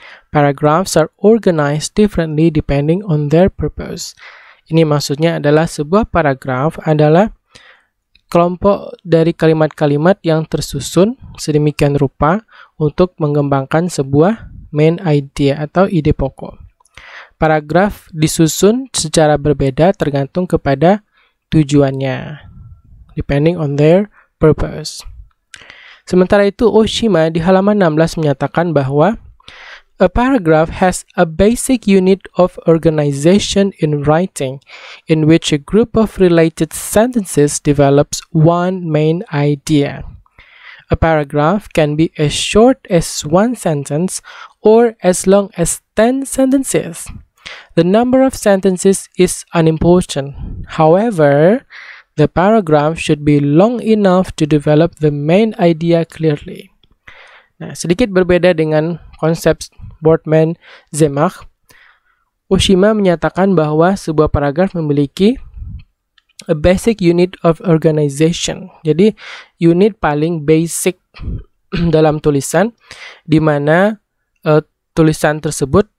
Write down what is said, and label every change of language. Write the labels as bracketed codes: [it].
[en] Paragraphs are organized differently depending on their purpose. [id] Ini maksudnya adalah sebuah paragraf adalah kelompok dari kalimat-kalimat yang tersusun sedemikian rupa untuk mengembangkan sebuah main idea atau ide pokok. Paragraf disusun secara berbeda tergantung kepada tujuannya, [en] depending on their purpose. [id] Sementara itu, Oshima di halaman 16 menyatakan bahwa [en] a paragraph has a basic unit of organization in writing in which a group of related sentences develops one main idea. A paragraph can be as short as one sentence or as long as 10 sentences. The number of sentences is unimportant. However, the paragraph should be long enough to develop the main idea clearly. [id] Nah, sedikit berbeda dengan konsep Boardman Zimach, Oshima menyatakan bahwa sebuah paragraf memiliki [en] a basic unit of organization. [id] Jadi, unit paling basic dalam tulisan di mana tulisan tersebut